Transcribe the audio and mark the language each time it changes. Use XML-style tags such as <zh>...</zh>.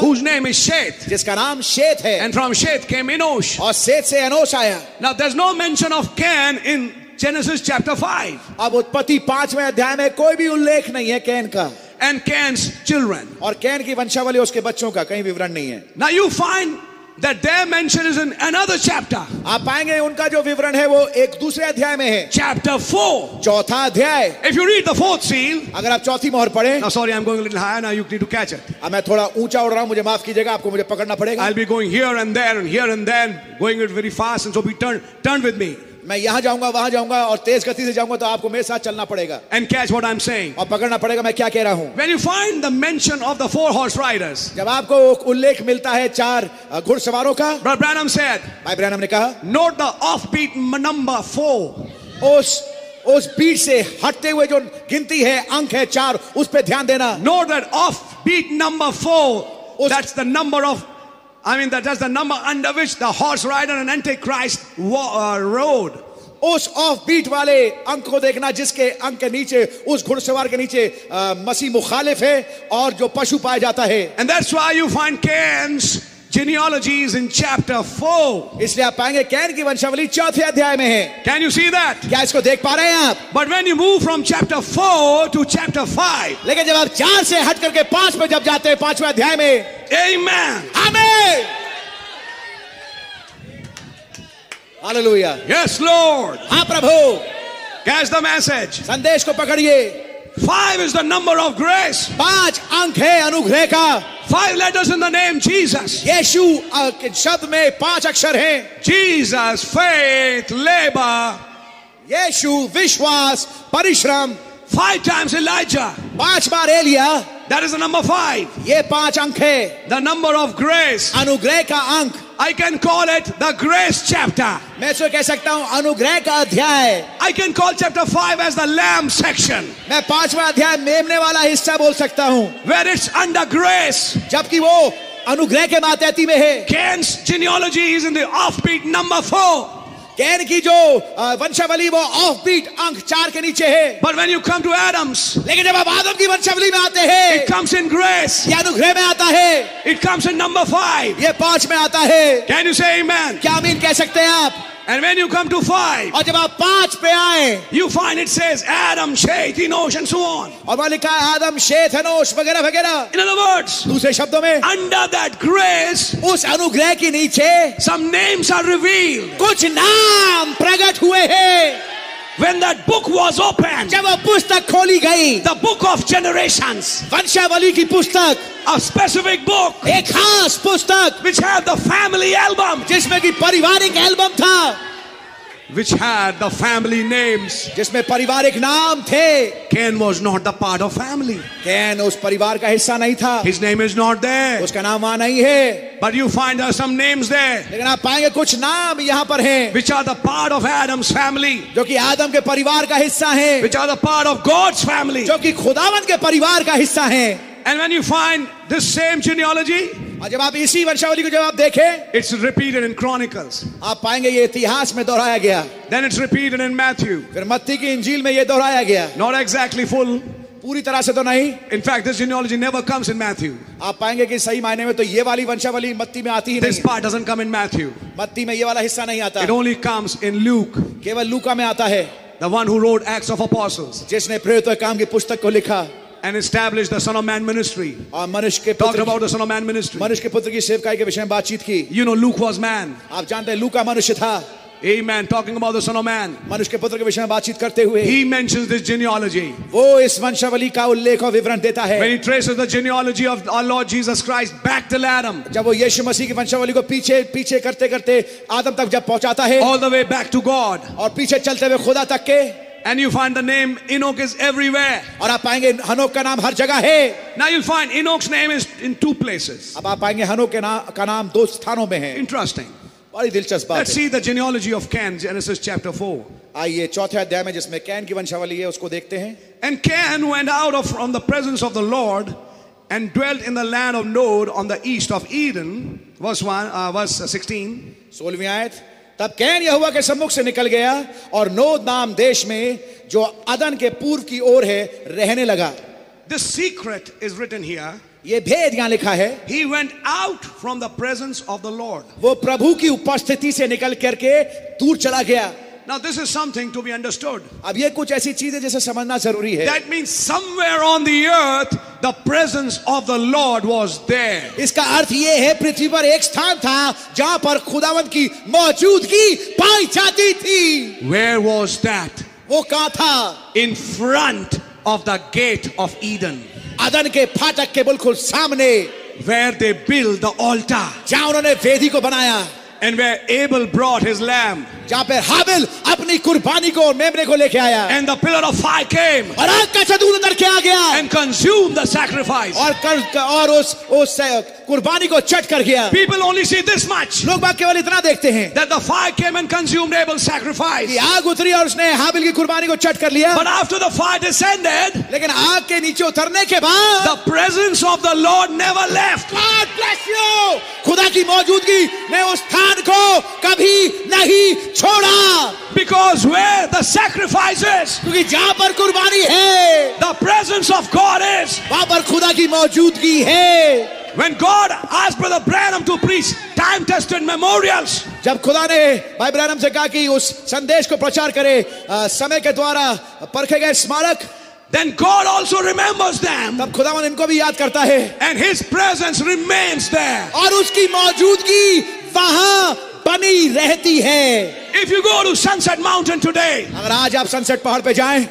<en>whose name is Seth</en> <hi>जिसका नाम शेथ है.</hi> <en>and from Seth came Enosh</en> <hi>और शेथ से एनोश आया.</hi> <en>Now there is no mention of Cain in Genesis chapter 5.</en> <hi>अब उत्पत्ति पांचवें अध्याय में कोई भी उल्लेख नहीं है कैन का.</hi> <en>And Cain's children.</en> <hi>और कैन की वंशावली उसके बच्चों का कहीं विवरण नहीं है.</hi> <en>Now you find that their mention is in another chapter.</en> <hi>आप पाएंगे उनका जो विवरण है वो एक दूसरे अध्याय में है.</hi> <en>Chapter 4.</en> <hi>चौथा अध्याय.</hi> <en>If you read the fourth seal.</en> <hi>अगर आप चौथी मोहर पढ़ें.</hi> <en>Now sorry, I'm going a little higher. Now you need to catch it.</en> <hi>अब मैं थोड़ा ऊंचा उड़ रहा हूँ मुझे माफ कीजिएगा आपको मुझे पकड़ना पड़ेगा.</hi> <en>I'll be going here and there and here and then, going it very fast, and so be turn with me.</en> <hi>मैं यहां जाऊंगा वहां जाऊंगा और तेज गति से जाऊंगा तो आपको मेरे साथ चलना पड़ेगा</hi> <en>and catch what I am saying</en> <hi>और पकड़ना पड़ेगा मैं क्या कह रहा हूं</hi> <en>when you find the mention of the four horse riders</en> <hi>जब आपको उल्लेख मिलता है चार घुड़सवारों का</hi> <en>brother Branham said</en> <hi>भाई ब्रैनम ने कहा</hi> <en>note the offbeat number four</en> <hi>उस बीट से हटते हुए जो गिनती है अंक है चार उस पर ध्यान देना</hi> <en>Note that off beat number four that's the number of I mean, that is the number under which the horse rider and antichrist rode.</en> <hi>उस ऑफ बीट वाले अंक को देखना जिसके अंक के नीचे उस घुड़सवार के नीचे मसीह मुखालिफ है और जो पशु पाया जाता है</hi> <en>And that's why you find Cain's genealogy is in chapter 4.</en> <hi>इसलिए आप पाएंगे कैन की वंशावली चौथे अध्याय में है</hi> <en>Can you see that?</en> <hi>क्या इसको देख पा रहे हैं आप</hi> <en>But when you move from chapter 4 to chapter 5.</en> <hi>लेकिन जब आप चार से हट करके पांच में जब जाते हैं पांचवें अध्याय में</hi> <en>Amen. Amen. Hallelujah. Yes, Lord.</en> <hi>हाँ प्रभु.</hi> <en>Catch the message.</en> <hi>संदेश को पकड़िए.</hi> <en>Five is the number of grace.</en> <hi>पांच अंक है अनुग्रह का.</hi> <en>Five letters in the name Jesus.</en> <hi>यीशु के शब्द में पांच अक्षर हैं.</hi> <en>Jesus, faith, labor.</en> <hi>यीशु विश्वास परिश्रम.</hi> <en>Five times Elijah.</en> <hi>पांच बार Elia.</hi> <en>That is the number five.</en> <hi>ये पांच अंक है.</hi> <en>The number of grace.</en> <hi>अनुग्रह का अंक.</hi> <en>I can call it the grace chapter.</en> <hi>मैं इसे कह सकता हूँ अनुग्रह का अध्याय.</hi> <en>I can call chapter five as the lamb section.</en> <hi>मैं पांचवा अध्याय मेमने वाला हिस्सा बोल सकता हूँ.</hi> <en>Where it's under grace.</en> <hi>जबकि वो अनुग्रह के मातहती में है.</hi> <en>Cain's genealogy is in the offbeat number four.</en> <hi>Can की जो वंशावली वो ऑफ बीट अंक चार के नीचे है</hi> <en>but when you come to Adam's</en> <hi>लेकिन जब आप आदम की वंशावली में आते हैं</hi> <en>it comes in grace</en> <hi>ये अनुग्रह में आता है</hi> <en>it comes in number five</en> <hi>ये पांच में आता है</hi> <en>can you say amen</en> <hi>क्या आमीन कह सकते हैं आप</hi> <en>And when you come to five,</en> <hi>और जब आप पांच पे आए,</hi> <en>you find it says Adam, Seth, Enosh, and so on.</en> <hi>और वहाँ लिखा है आदम, शेथ, एनोश वगैरह वगैरह.</hi> <en>In other words,</en> <hi>दूसरे शब्दों में,</hi> <en>under that grace,</en> <hi>उस अनुग्रह के नीचे,</hi> <en>some names are revealed.</en> <hi>कुछ नाम प्रकट हुए हैं.</hi> <en>When that book was opened,</en> <hi>जब वो पुस्तक खोली गई,</hi> <en>the book of generations,</en> <hi>वंशावली की पुस्तक.</hi> <en>A specific book,</en> <hi>एक खास पुस्तक,</hi> <en>which had the family album,</en> <hi>जिसमें की पारिवारिक एल्बम था,</hi> <en>which had the family names,</en> <hi>जिसमें पारिवारिक नाम थे.</hi> <en>Cain was not the part of family.</en> <hi>Cain उस परिवार का हिस्सा नहीं था.</hi> <en>His name is not there.</en> <hi>उसका नाम वहाँ नहीं है.</hi> <en>But you find there are some names there.</en> <hi>लेकिन आप पाएंगे कुछ नाम यहाँ पर हैं.</hi> <en>Which are the part of Adam's family?</en> <hi>जो कि आदम के परिवार का हिस्सा हैं.</hi> <en>Which are the part of God's family?</en> <hi>जो कि खुदावंत के परिवार का हिस्सा हैं.</hi> <en>And when you find this same genealogy,</en> <hi>जब आप इसी वंशावली को जब आप देखें,</hi> <en>it's repeated in Chronicles.</en> <hi>आप पाएंगे ये इतिहास में दोहराया गया.</hi> <en>Then it's repeated in Matthew.</en> <hi>फिर मत्ती की इंजील में ये दोहराया गया.</hi> <en>Not exactly full.</en> <hi>पूरी तरह से तो नहीं.</hi> <en>In fact, this genealogy never comes in Matthew.</en> <hi>आप पाएंगे कि सही मायने में तो ये वाली वंशावली मत्ती में आती ही नहीं.</hi> <en>This part doesn't come in Matthew.</en> <hi>मत्ती में ये वाला हिस्सा नहीं आता.</hi> <en>It only comes in Luke.</en> <hi>केवल लूका में आता है.</hi> <en>The one who wrote Acts of Apostles.</en> <hi>जिसने प्रेरितों के काम की पुस्तक को लिखा.</hi> <en>And established the Son of Man ministry.</en> <hi>और मनुष्य के</hi> <en>talked about the Son of Man ministry.</en> <hi>मनुष्य के पुत्र की सेवकाई के विषय में बातचीत की.</hi> <en>You know, Luke was man.</en> <hi>आप जानते हैं लूका मनुष्य था.</hi> <en>Amen. Talking about the Son of Man.</en> <hi>मनुष्य के पुत्र के विषय में बातचीत करते हुए.</hi> <en>He mentions this genealogy.</en> <hi>वो इस वंशावली का उल्लेख और विवरण देता है.</hi> <en>When he traces the genealogy of our Lord Jesus Christ back to Adam.</en> <hi>जब वो यीशु मसीह की वंशावली को पीछे पीछे करते करते आदम तक जब पहुंचाता है.</hi> <en>All the way back to God.</en> <hi>और पीछे चलते हुए खुदा तक के.</hi> <en>And you find the name Enoch is everywhere.</en> <hi>और आप पाएंगे हनोक का नाम हर जगह है.</hi> <en>Now you'll find Enoch's name is in two places.</en> <hi>अब आप पाएंगे हनोक के नाम का नाम दो स्थानों में है.</hi> <en>Interesting.</en> <hi>बड़ी दिलचस्प बात है.</hi> <en>Let's see the genealogy of Cain, Genesis chapter 4.</en> <hi>आइए चौथे अध्याय में जिसमें कैन की वंशावली है उसको देखते हैं.</hi> <en>And Cain went out of from the presence of the Lord and dwelt in the land of Nod on the east of Eden. Verse 16.</en> <hi>16वीं आयत. तब कैन यहोवा के सम्मुख से निकल गया और नोद नाम देश में जो अदन के पूर्व की ओर है रहने लगा</hi> <en>The secret is written here.</en> <hi>ये भेद यहां लिखा है</hi> <en>He went out from the presence of the Lord.</en> <hi>वो प्रभु की उपस्थिति से निकल करके दूर चला गया</hi> <en>Now this is something to be understood.</en> <hi>अब ये कुछ ऐसी चीज है जिसे समझना जरूरी है.</hi> <en>That means somewhere on the earth, the presence of the Lord was there.</en> <hi>इसका अर्थ ये है पृथ्वी पर एक स्थान था जहां पर खुदावंत की मौजूदगी पाई जाती थी.</hi> <en>Where was that?</en> <hi>वो कहां था?</hi> <en>In front of the gate of Eden.</en> <hi>अदन के फाटक के बिल्कुल सामने.</hi> <en>Where they built the altar.</en> <hi>जहां उन्होंने वेदी को बनाया.</hi> <en>And where Abel brought his lamb.</en> <hi>जहां पर हाबिल अपनी कुर्बानी को और मेमने को लेके आया</hi> <en>and the pillar of fire came</en> <hi>और आग का चादर अंदर के आ गया</hi> <en>and consume the sacrifice</en> <hi>और उस कुर्बानी को चट कर गया</hi> <en>people only see this much</en> <hi>लोग बाकी केवल इतना देखते हैं</hi> <en>that the fire came and consumed able sacrifice</en> <hi>कि आग उतरी और उसने हाबिल की कुर्बानी को चट कर लिया</hi> <en>but after the fire descended</en> <hi>लेकिन आग के नीचे उतरने के बाद</hi> <en>the presence of the lord never left God bless you</en> <hi>खुदा की मौजूदगी ने उस स्थान को कभी नहीं छोड़ा</hi> <en>because where the sacrifice is</en> <hi>क्योंकि जहां पर कुर्बानी है</hi> <en>the presence of God is</en> <hi>वहां पर खुदा की मौजूदगी है</hi> <en>When God asked Brother Branham to preach time-tested memorials,</en> <hi>जब खुदा ने भाई ब्रैनम से कहा कि उस संदेश को प्रचार करे समय के द्वारा परखे गए स्मारक</hi> <en>Then God also remembers them.</en> <hi>तब खुदावन इनको भी याद करता है</hi> <en>And His presence remains there.</en> <hi>और उसकी मौजूदगी वहां बनी रहती है</hi> <en>If you go to Sunset Mountain today,</en> <hi>अगर आज आप सनसेट पहाड़ पे जाएं,</hi>